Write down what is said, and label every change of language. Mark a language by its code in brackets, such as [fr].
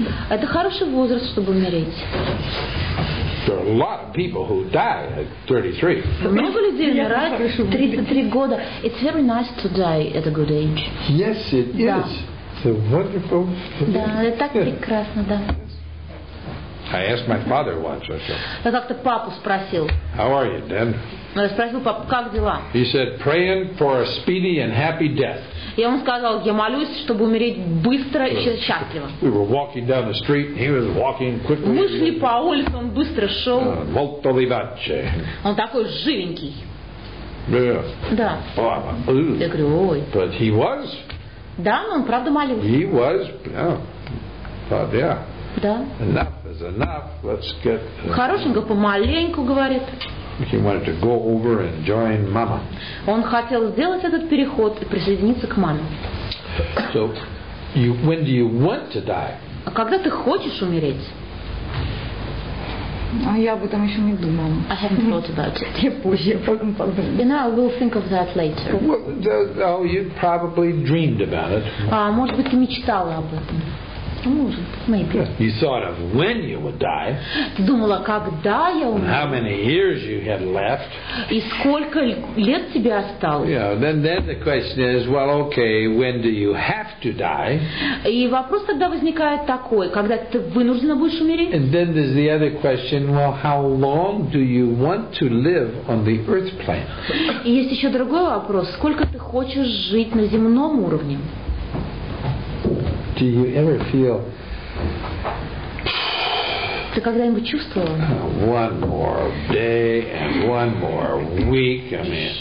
[ru] Это хороший возраст, чтобы умереть. [en] There are a lot of people who die at 33. [ru] Много людей умирают 33 года. [en] It's very nice to die at a good age. Yes, it is. It's a wonderful. [ru] Да, это так прекрасно, да. [en] I asked my father once. [ru] Я как-то папу спросил. [en] How are you, Dan? [ru] Я спросил папу, как дела? [en] He said, praying for a speedy and happy death. [ru] Я ему сказал, я молюсь, чтобы умереть быстро и счастливо. [en] We were walking down the street, and he was walking quickly. [ru] Мы шли по улице, он быстро шел. [it] Molto vivace. [ru] Он такой живенький. [en] Yeah. [ru] Да. Oh, я говорю, ой. [en] But he was. [ru] Да, но он правда молился. [en] He was, yeah. But yeah. [ru] Да. [en] Enough is enough. Let's get. [ru] Хорошенько помаленьку говорит. [en] He wanted to go over and join Mama. [ru] Он хотел сделать этот переход и присоединиться к маме. [en] So, you, when do you want to die? [ru] А когда ты хочешь умереть? А я об этом еще не думала. [en] I haven't thought about it. [ru] Я позже, я потом подумаю. [en] You know, I will think of that later. Well, you probably dreamed about it. [ru] А может быть, ты мечтала об этом? [en] Maybe. You thought of when you would die. [ru] Ты думала, когда я умру. [en] How many years you had left? [ru] И сколько лет тебе осталось? [en] Yeah. Then the question is, well, okay, when do you have to die? [ru] И вопрос тогда возникает такой: когда ты вынуждена будешь умереть? [en] And then there's the other question: well, how long do you want to live on the earth plane? [ru] И есть еще другой вопрос: сколько ты хочешь жить на земном уровне? [en] Do you ever feel? [ru] Ты когда-нибудь чувствовал? [en] One more day and one more week. I mean,